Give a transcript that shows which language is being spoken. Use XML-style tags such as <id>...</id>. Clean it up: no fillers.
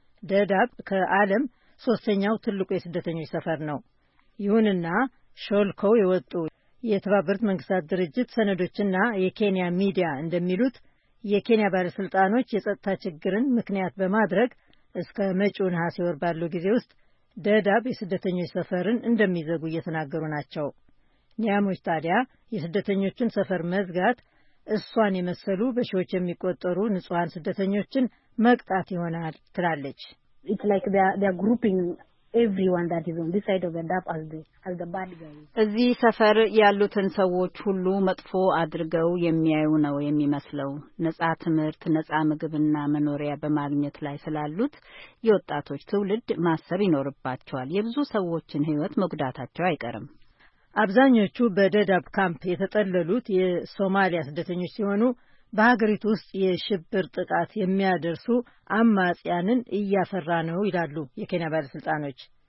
<am>ዳዳብ ከዓለም 3ኛው ትልቁ የስደተኞች ሰፈር ነው። ይሁንና ሾልከው የወጡ የተባበሩት መንግስታት ድርጅት ሰነዶችና የኬንያ ሚዲያ እንደሚሉት የኬንያ ባለስልጣኖች የጸጥታ ችግርን ምክንያት በማድረግ እስከ መጪው ነሐሴ ወር ባለው ጊዜ ውስጥ ዳዳብ የስደተኞች ሰፈርን እንደሚዘጉ እየተናገሩ ናቸው። ኒያሞች ታዲያ የስደተኞችን ሰፈር መዝጋት እሷን የመሰሉ በሺዎች የሚቆጠሩ ንጹሃን ስደተኞችን መቅጣት ይሆናል ትላለች።</am> <en>It's like they are grouping everyone that is on this side of Dadaab as the bad guys.</en> <am>እዚህ ሰፈር ያሉትን ሰዎች ሁሉ መጥፎ አድርገው የሚያዩ ነው የሚመስለው። ንጻ ትምርት፣ ንጻ ምግብና መኖሪያ በማግኘት ላይ ስላሉት የወጣቶች ትውልድ ማሰብ ይኖርባቸዋል። የብዙ ሰዎችን ህይወት መጉዳታቸው አይቀርም። አብዛኞቹ በዳዳብ ካምፕ የተጠለሉት የሶማሊያ ስደተኞች ሲሆኑ በሀገሪቱ ውስጥ የሽብር ጥቃት የሚያደርሱ አማጽያንን እያፈራ ነው ይላሉ የኬንያ ባለስልጣኖች።</am>